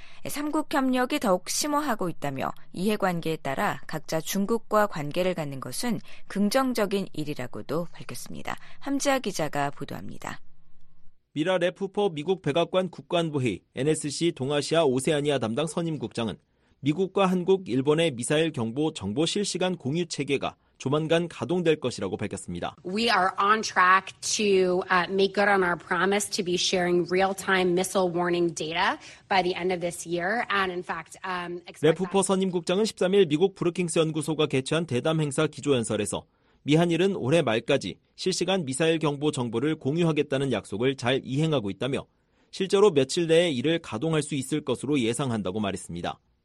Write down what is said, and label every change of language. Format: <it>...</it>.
<ko>3국 협력이 더욱 심화하고 있다며 이해관계에 따라 각자 중국과 관계를 갖는 것은 긍정적인 일이라고도 밝혔습니다. 함지아 기자가 보도합니다. 미라 레프포 미국 백악관 국관부회의 NSC 동아시아 오세아니아 담당 선임국장은 미국과 한국, 일본의 미사일 경보 정보 실시간 공유 체계가 조만간 가동될 것이라고 밝혔습니다.</ko> <en>We are on track to make good on our promise to be sharing real-time missile warning data by the end of this year. And in fact,</en> <ko>레프퍼 선임 국장은 13일 미국 브루킹스 연구소가 개최한 대담 행사 기조 연설에서 미한일은 올해 말까지 실시간 미사일 경보 정보를 공유하겠다는 약속을 잘 이행하고 있다며 실제로 며칠 내에 이를 가동할 수 있을 것으로 예상한다고 말했습니다.</ko>